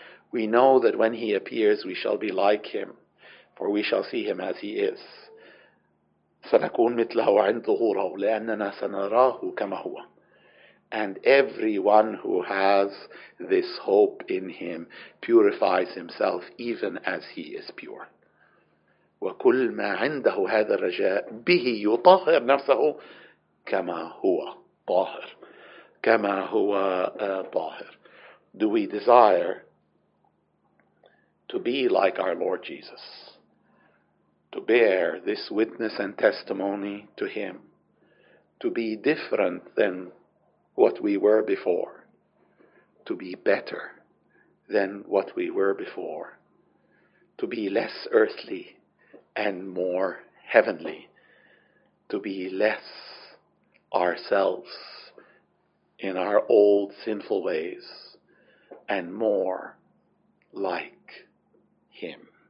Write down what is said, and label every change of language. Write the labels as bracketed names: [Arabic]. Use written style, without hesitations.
[English] We know that when he appears we shall be like him, for we shall see him as he is. [Arabic] سنكون مثله عند ظهوره لأننا سنراه كما هو. [English] And everyone who has this hope in him purifies himself even as he is pure. [Arabic] وكل ما عنده هذا الرجاء به يطهر نفسه كما هو طاهر. كما هو طاهر. [English] Do we desire to be like our Lord Jesus? To bear this witness and testimony to him? To be different than what we were before, to be better than what we were before, to be less earthly and more heavenly, to be less ourselves in our old sinful ways and more like him.